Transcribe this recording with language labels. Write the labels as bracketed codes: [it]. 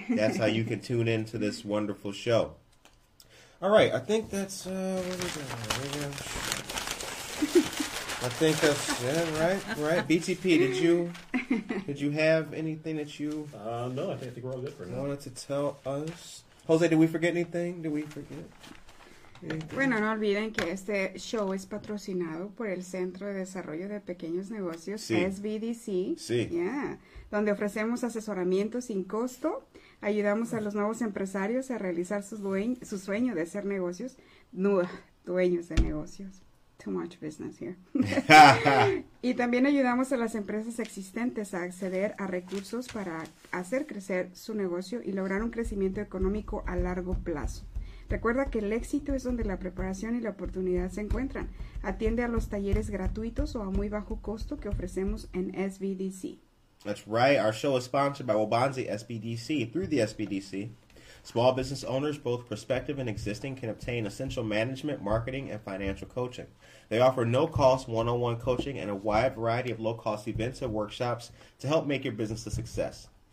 [en] That's how you can tune in to this wonderful show. All right, I think that's right. BTP, did you have anything that you No, I think we're all good for now. Wanted to tell us, Jose, did we forget anything? Did we forget? [es] Bueno, no olviden que este show es patrocinado por el Centro de Desarrollo de Pequeños Negocios, sí. SBDC, sí. Yeah, donde ofrecemos asesoramiento sin costo, ayudamos a los nuevos empresarios a realizar su sueño de ser negocios, dueños de negocios. [en] Too much business here. [es] Y también ayudamos a las empresas existentes a acceder a recursos para hacer crecer su negocio y lograr un crecimiento económico a largo plazo. Recuerda que el éxito es donde la preparación y la oportunidad se encuentran. Atiende a los talleres gratuitos o a muy bajo costo que ofrecemos en SBDC. [en] That's right. Our show is sponsored by Wabanzi SBDC. Through the SBDC, small business owners, both prospective and existing, can obtain essential management, marketing, and financial coaching. They offer no-cost one-on-one coaching and a wide variety of low-cost events and workshops to help make your business a success.